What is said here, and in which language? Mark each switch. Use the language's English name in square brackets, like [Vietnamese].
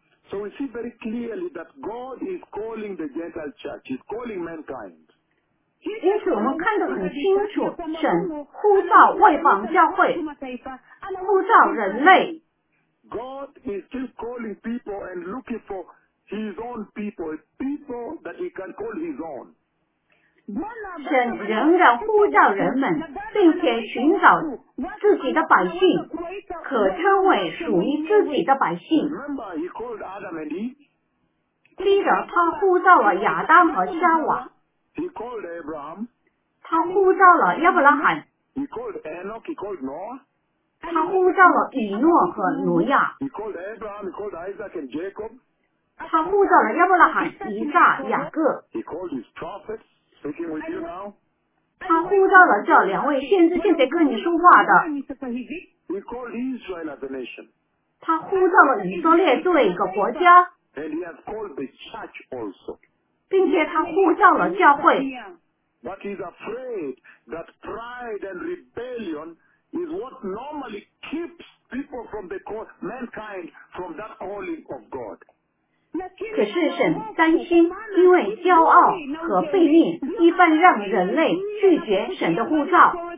[English] So we see very clearly that God is calling the Gentile church, he's calling mankind. [Chinese] 因此我们看得很清楚，神呼召外邦教会，呼召人类。 [English] God is still calling people and looking for his own people, people that he can call his own. [Chinese] 神仍然呼召人们，并且寻找自己的百姓，可称为属于自己的百姓。 [English] Remember, he called Adam and Eve. [Chinese] 记得他呼召了亚当和夏娃。 [English] He called Abraham. [Chinese] 他呼召了亚伯拉罕。 [English] He called Enoch. He called Noah. [Chinese] 他呼召了以诺和挪亚。 [English] He called Abraham. He called Isaac and Jacob. [Chinese] 他呼召了亚伯拉罕、以撒、雅各。 [English] He called his prophets. Speaking with you now. [Chinese] 他呼召了这两位先知，现在跟你说话的。 [English] He called Israel as a nation. [Chinese] 他呼召了以色列作为一个国家。 [English] And he has called the church also. [Chinese] 并且他呼召了教会。 [English] But he's afraid that pride and rebellion is what normally keeps people from the call, mankind from that calling of God. [Chinese] 可是神担心，因为骄傲和悖逆，一般让人类拒绝神的呼召。